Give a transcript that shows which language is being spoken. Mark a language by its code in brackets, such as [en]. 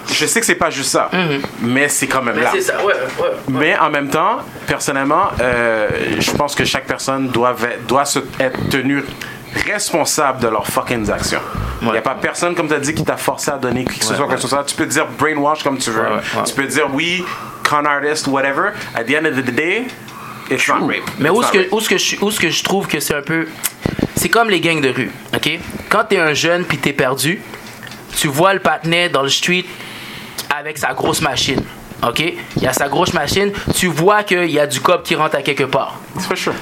[fr] Je sais que c'est pas juste ça, mais c'est quand même mais là. C'est ça. Ouais. Mais en même temps, personnellement, je pense que chaque personne doit se être tenue responsable de leurs fucking actions. Il n'y a pas personne, comme tu as dit, qui t'a forcé à donner qui que ce soit, quoi que ce soit. Tu peux dire brainwash comme tu veux. Ouais. Tu peux dire oui, con artist, whatever. [en] At the end of the day, it's not rape. [fr] Mais où est-ce que je trouve que c'est un peu... C'est comme les gangs de rue, OK? Quand t'es un jeune puis t'es perdu, tu vois le patinet dans le street avec sa grosse machine, OK? Il y a sa grosse machine, tu vois qu'il y a du cop qui rentre à quelque part. C'est pas sûr.